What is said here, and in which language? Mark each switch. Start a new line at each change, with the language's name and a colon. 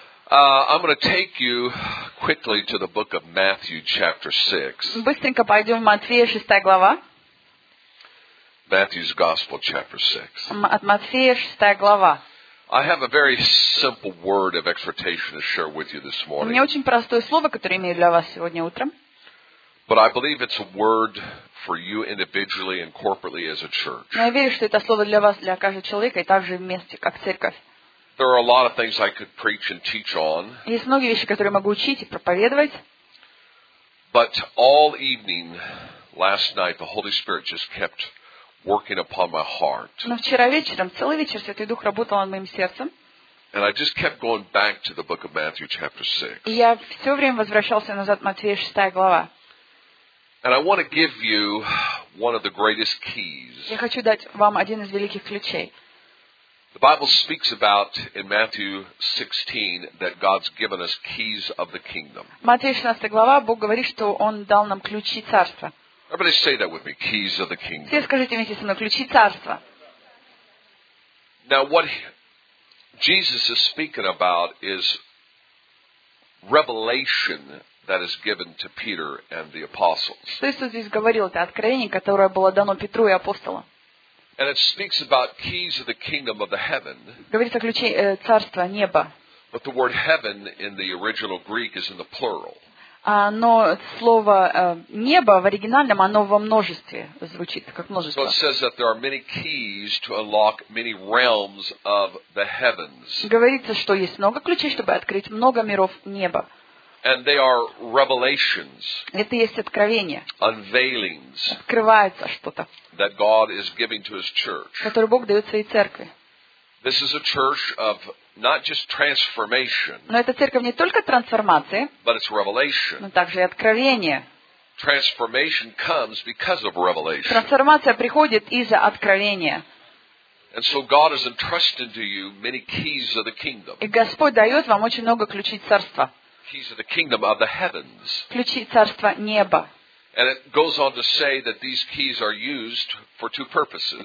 English: I'm going to take you quickly to the book of Matthew, chapter 6.
Russian: Быстренько пойдем в Матфея, 6 глава.
English: Matthew's Gospel, chapter 6.
Russian: От Матфея, 6 глава.
English: I have a very simple word of exhortation to share with you this morning.
Russian: У меня очень простое слово, которое имею для вас сегодня утром.
English: But I believe it's a word for you individually and corporately as a church.
Russian: Я верю, что это слово для вас, для каждого человека и также вместе, как церковь.
English: There are a lot of things I could preach and teach on.
Russian: Есть многие вещи, которые могу учить и проповедовать.
English: But all evening last night the Holy Spirit just kept working upon my heart.
Russian: Но вчера вечером, целый вечер Святой Дух работал над моим сердцем.
English: And I just kept going back to the book of Matthew chapter 6.
Russian: Я всё время возвращался назад в Матфея 6 глава.
English: And I want to give you one of the greatest keys.
Russian: Я хочу дать вам один из великих ключей.
English: The Bible speaks about in Matthew 16 that God's given us keys of the kingdom.
Russian: Матфея 16 глава, Бог говорит, что Он дал нам ключи царства.
English: Everybody say that with me, keys of the kingdom.
Russian: Все скажите вместе со мной, ключи царства.
English: Now what Jesus is speaking about is revelation that is given to Peter and the apostles.
Russian: Что Иисус здесь говорил, это откровение, которое было дано Петру и апостолам.
English: And it speaks about keys of the kingdom of the heaven.
Russian: Говорится о ключе царства неба.
English: But the word heaven in the original Greek is in the plural.
Russian: Но слово небо в оригинальном оно во множестве звучит, как множество.
English: So it says that there are many keys to unlock many realms of the heavens.
Russian: Говорится, что есть много ключей, чтобы открыть много миров неба.
English: And they are revelations.
Russian: Это есть откровения.
English: Unveilings.
Russian: Открывается что-то.
English: That God is giving to His church.
Russian: Который Бог дает своей церкви.
English: This is a church of not just transformation.
Russian: Но эта церковь не только трансформации.
English: But it's revelation.
Russian: Но также и откровение.
English: Transformation comes because of revelation.
Russian: Трансформация приходит из-за откровения.
English: And so God has entrusted to you many keys of the kingdom.
Russian: И Господь дает вам очень много ключей царства.
English: Keys of the kingdom of the heavens.
Russian: Ключи царства неба.
English: And it goes on to say that these keys are used for two purposes.